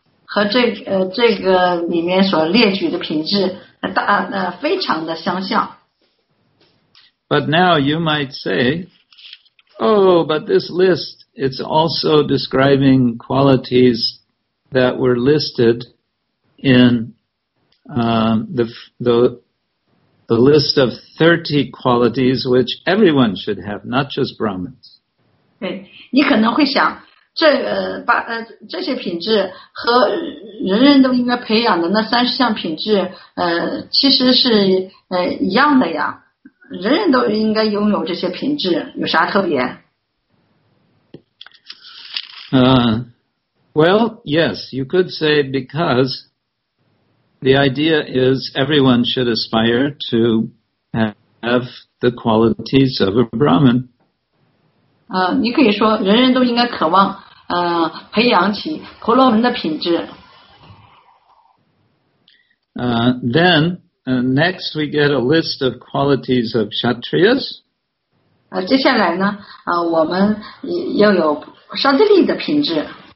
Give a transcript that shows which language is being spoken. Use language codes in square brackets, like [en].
[zh] 和这个里面所列举的品质非常的相像。 [en] But now you might say, oh, but this list, it's also describing qualities that were listed in the list of 30 qualities which everyone should have, not just Brahmins. [zh] 对，你可能会想，这些品质和人人都应该培养的那三十项品质，其实是一样的呀。人人都应该拥有这些品质，有啥特别？ [en] Well, yes, you could say because the idea is everyone should aspire to have the qualities of a Brahman. [zh] 你可以说人人都应该渴望培养起婆罗门的品质。 [en] Next we get a list of qualities of Kshatriyas. [zh] 接下来呢我们要有沙地利的品质。